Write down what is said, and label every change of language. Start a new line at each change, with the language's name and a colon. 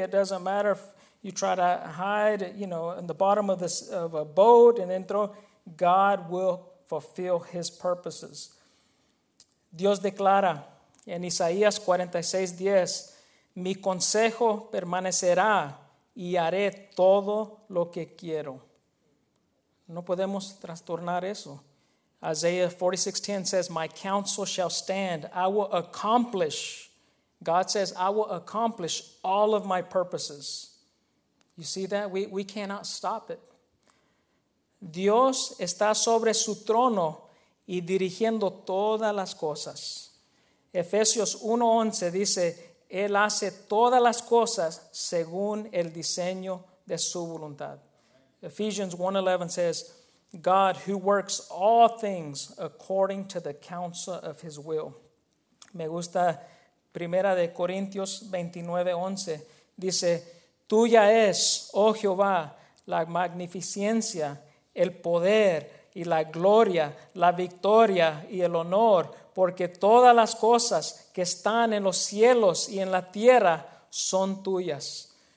English: It doesn't matter if you try to hide, you know, in the bottom of a boat and then throw. God will fulfill his purposes.
Spanish: Dios declara en Isaías 46:10, mi consejo permanecerá y haré todo lo que quiero. No podemos trastornar eso.
English: Isaiah 46:10 says, my counsel shall stand. I will accomplish. God says, I will accomplish all of my purposes. You see that? We cannot stop it.
Spanish: Dios está sobre su trono y dirigiendo todas las cosas. Efesios 1:11 dice, Él hace todas las cosas según el diseño de su voluntad.
English: Ephesians 1:11 says, God who works all things according to the counsel of his will.
Spanish: Me gusta Primera de Corintios 29:11 dice, tuya es, oh Jehová, la magnificencia, el poder y la gloria, la victoria y el honor, porque todas las cosas que están en los cielos y en la tierra son tuyas.